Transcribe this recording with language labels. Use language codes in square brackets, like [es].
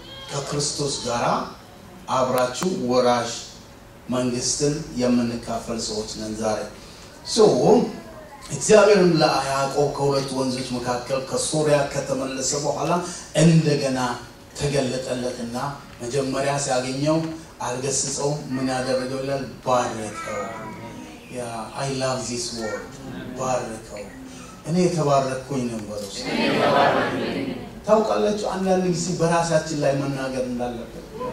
[am] ከክርስቶስ ጋር አብራችሁ ወራሽ መንግስትን የምንካፈል ሰዎች ነን ዛሬ። ሶ እግዚአብሔርም ለያዕቆብ ከሁለት ወንዞች መካከል ከሶርያ ከተመለሰ በኋላ እንደገና ተገለጠለትና መጀመሪያ ሲያገኘው አልገሰጸው። ምን ያደረገው ይላል? ባረከው። ያ [en] I love this word. [am] ባረከው። እኔ የተባረኩኝ ነው ወሮ። ታውቃለች አንዳንድ ጊዜ በራሳችን ላይ መናገር እንዳለበት